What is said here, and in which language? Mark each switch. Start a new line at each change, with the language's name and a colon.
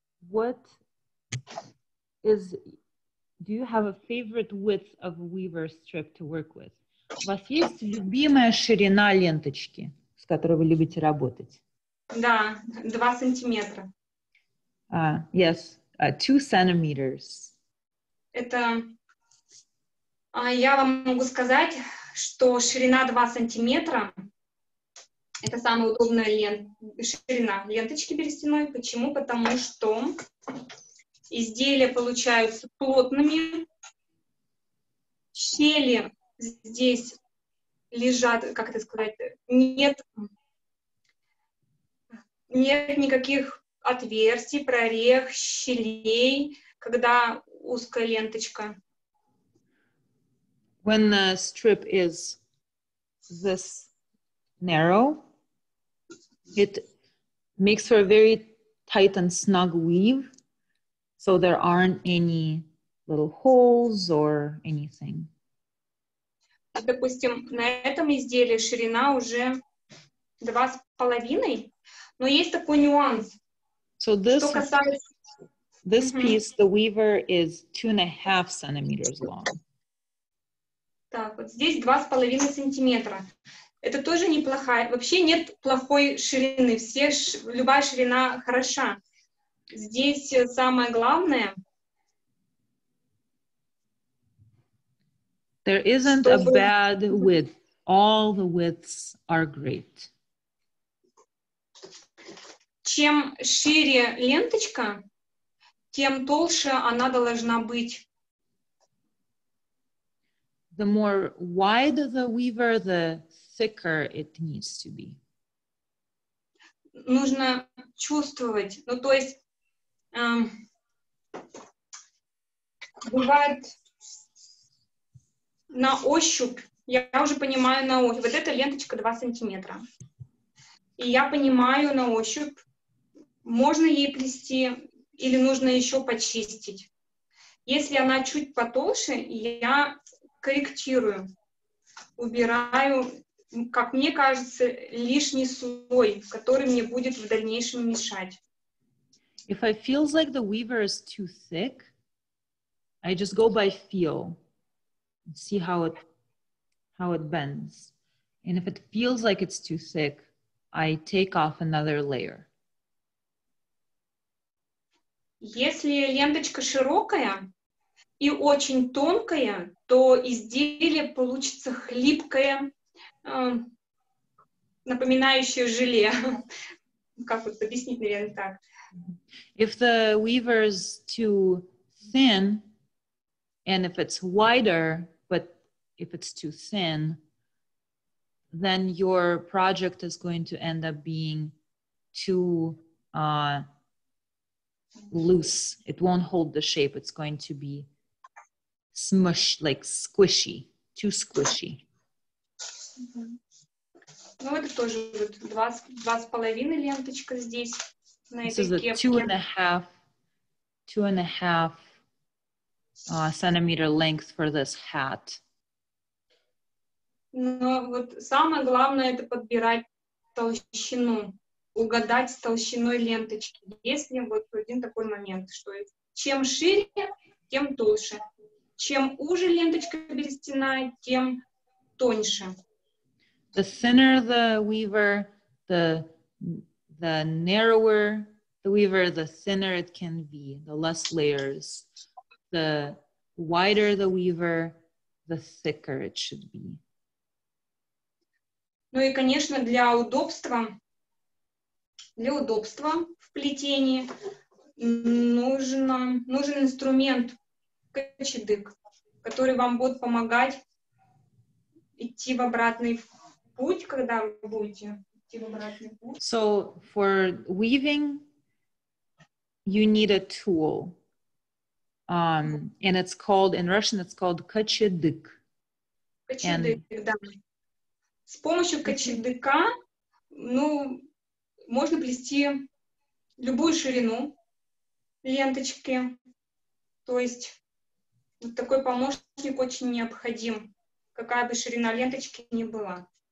English: What is, do you have a favorite width of weaver strip to work with?
Russian: У вас есть любимая ширина ленточки, с которой вы любите работать? Да, 2 сантиметра.
English: Yes, 2 centimeters.
Russian: Это, я вам могу сказать, что ширина 2 сантиметра – это самая удобная ширина ленточки берестяной. Почему? Потому что изделия получаются плотными, щели здесь лежат, как это сказать, нет никаких отверстий, прорех, щелей, когда узкая ленточка.
English: When the strip is this narrow, it makes for a very tight and snug weave, so there aren't any little holes or anything.
Russian: Допустим, на этом изделии ширина уже 2.5, но есть такой нюанс.
English: So this,
Russian: что касается...
English: this mm-hmm. piece, the weaver is 2.5 centimeters long.
Russian: Так, вот здесь 2.5 сантиметра. Это тоже неплохая, вообще нет плохой ширины, все, любая ширина хороша. Здесь самое главное...
English: There isn't a bad width. All the widths are great.
Russian: Чем шире ленточка, тем толще она должна быть.
English: The more wide the weaver, the thicker it needs to be.
Russian: Нужно чувствовать. Ну, то есть, бывает... На ощупь, я уже понимаю на ощупь, вот эта ленточка 2 сантиметра. И я понимаю на ощупь, можно ей плести или нужно еще почистить. Если она чуть потолще, я корректирую, убираю, как мне кажется, лишний слой, который мне будет в дальнейшем мешать.
English: If I feel like the weaver is too thick, I just go by feel. See how it bends. And if it feels like it's too thick, I take off another layer.
Russian: Если ленточка широкая и очень тонкая, то изделие получится хлипкое, напоминающее желе. Как вот объяснить, наверное, так.
English: If the weaver is too thin, and if it's wider, if it's too thin, then your project is going to end up being too loose. It won't hold the shape. It's going to be smushed, like squishy, too squishy.
Russian: Ну, это тоже вот 2.5 ленточка здесь, на этой кепке.
English: This is a 2.5 2.5 centimeter length for this hat.
Russian: Но вот самое главное это подбирать толщину, угадать с толщиной ленточки. Если вот один такой момент, что чем шире, тем толще. Чем уже ленточка берестяная, тем тоньше.
English: The thinner the weaver, the narrower the weaver, the thinner it can be, the less layers. The wider the weaver, the thicker it should be.
Russian: Ну и, конечно, для удобства в плетении нужен инструмент, кочедык, который вам будет помогать идти в обратный путь, когда вы будете идти в обратный путь.
English: So, for weaving, you need a tool. And it's called, in Russian, it's called kochedyk.
Russian: Kochedyk, да. С помощью кочедыка, можно плести любую ширину ленточки. То есть, вот такой помощник очень необходим, какая бы ширина ленточки ни была.